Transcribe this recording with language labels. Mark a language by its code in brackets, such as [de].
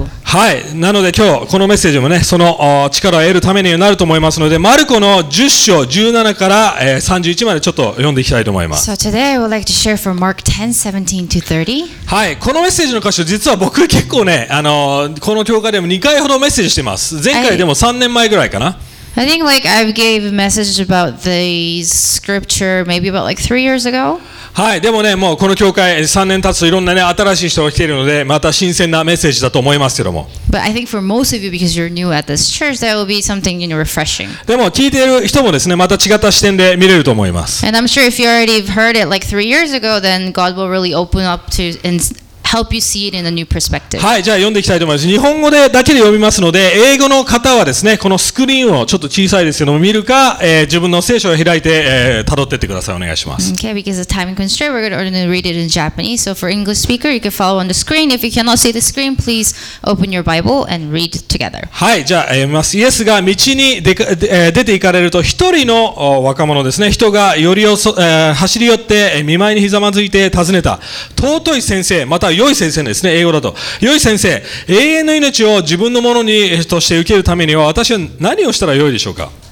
[ja] はい、なので今日このメッセージもね、その力を得るためになると思いますので、マルコの10章17から31までちょっと読んでいきたいと思います。 [en] So today I would like to share from Mark 10, 17 to 30. [ja] はい、このメッセージの箇所、実は僕結構ね、この教会でも2回ほどメッセージしてます。前回でも3年前ぐらいかな。 [en] I think like I've gave a message about the scripture maybe about like 3 years ago. [ja] はい、でもね、もうこの教会3年経つといろんなね、新しい人が来ているので、また新鮮なメッセージだと思いますけども。 [en] But I think for most of you, because you're new at this church, that will be something you know, refreshing. [ja] でも聞いている人もですね、また違った視点で見れると思います。 [en] And I'm sure if you already heard it like 3 years ago, then God will really open up to help you see it in a new perspective. [ja] はい、じゃあ読んでいきたいと思います。日本語でだけで読みますので、英語の方はですね、このスクリーンをちょっと小さいですけども見るか、自分の聖書を開いて、辿ってってください。お願いします。 [en] Okay, because of time constraint, we're going to read it in Japanese. So for English speaker, you can follow on the screen. If you cannot see the screen, please open your Bible and read together. [ja] はい、じゃあ読みます。イエスが道に出て行かれると、一人の若者ですね、人が走り寄って見舞いにひざまずいて尋ねた。尊い先生、また良い先生ですね、英語だと。良い先生、永遠の命を自分のものにとして受けるためには私は何をしたら良いでしょうか。